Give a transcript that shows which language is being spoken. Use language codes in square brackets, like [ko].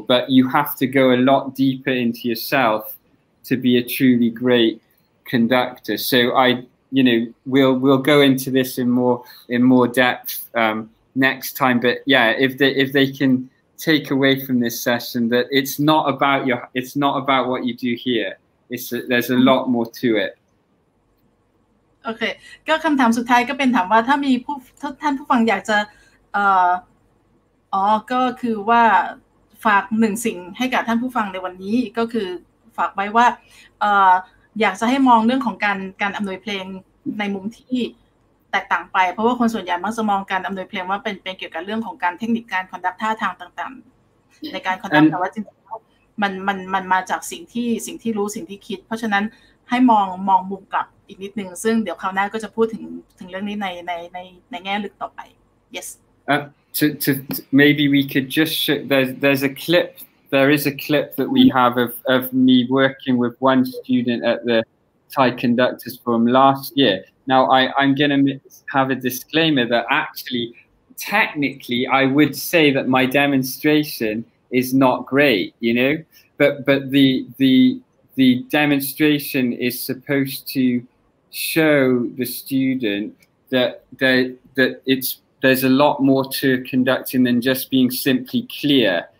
[en] But you have to go a lot deeper into yourself to be a truly great conductor. So we'll go into this in more depth next time. But yeah, if they can take away from this session that it's not about what you do here. There's a lot more to it. Okay. [th] ก็คำถามสุดท้ายก็เป็นถามว่าถ้ามีผู้ท่านผู้ฟังอยากจะก็คือว่าฝากหนึ่งสิ่งให้กับท่านผู้ฟังในวันนี้ก็คือฝากไว้ว่า อยากจะให้มองเรื่องของการอำนวยเพลงในมุมที่แตกต่างไปเพราะว่าคนส่วนใหญ่มักจะมองการอำนวยเพลงว่าเป็นเกี่ยวกับเรื่องของการเทคนิคการคอนดักท่าทางต่างๆในการคอนดักแต่ว่าจริงๆแล้วมันมาจากสิ่งที่รู้สิ่งที่คิดเพราะฉะนั้นให้มองมุมกลับอีกนิดนึงซึ่งเดี๋ยวคราวหน้าก็จะพูดถึงเรื่องนี้ในแง่ลึกต่อไป yes [en] to maybe we could just there's a clipThere is a clip that we have of me working with one student at the Thai Conductors Forum last year. Now, I'm going to have a disclaimer that actually, technically, I would say that my demonstration is not great, you know, but the demonstration is supposed to show the student that there's a lot more to conducting than just being simply clear.